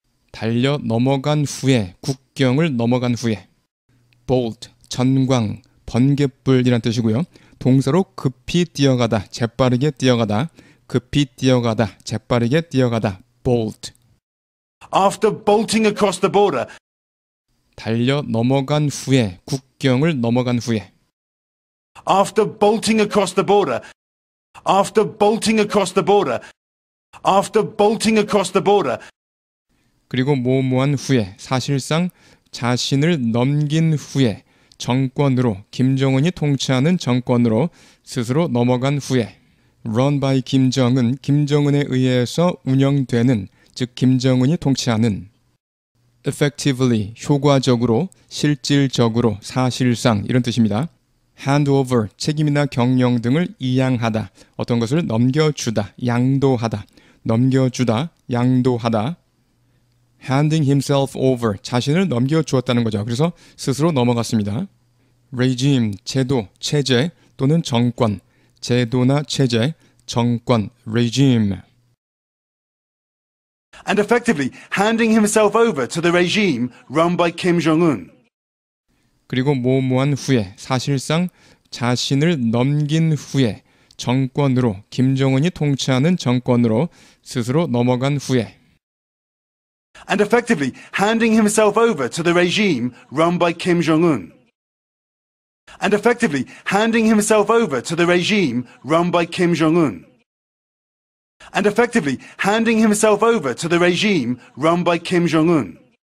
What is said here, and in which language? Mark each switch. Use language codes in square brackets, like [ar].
[ko] 달려 넘어간 후에, 국경을 넘어간 후에 Bolt, 전광, 번개불이란 뜻이고요. 동사로 급히 뛰어가다, 재빠르게 뛰어가다, 급히 뛰어가다, 재빠르게 뛰어가다, bolt. [en] After bolting across the border, [ko] 달려 넘어간 후에, 국경을 넘어간 후에. [en] After bolting across the border, after bolting across the border, after bolting across the border. [ko] 그리고 뭐뭐한 후에, 사실상 자신을 넘긴 후에. 정권으로 김정은이 통치하는 정권으로 스스로 넘어간 후에 run by 김정은 김정은에 의해서 운영되는 즉 김정은이 통치하는 effectively 효과적으로 실질적으로 사실상 이런 뜻입니다. hand over 책임이나 경영 등을 이양하다 어떤 것을 넘겨주다 양도하다 넘겨주다 양도하다 handing himself over 자신을 넘겨주었다는 거죠. 그래서 스스로 넘어갔습니다. regime 제도 체제 또는 정권 제도나 체제 정권 regime [en] and effectively handing himself over to the regime run by Kim Jong-un [ko] 그리고 뭐뭐한 후에 사실상 자신을 넘긴 후에 정권으로 김정은이 통치하는 정권으로 스스로 넘어간 후에 [en] and effectively handing himself over to the regime run by Kim Jong-un and effectively handing himself over to the regime run by Kim Jong-un. and effectively handing himself over to the regime run by Kim Jong-un.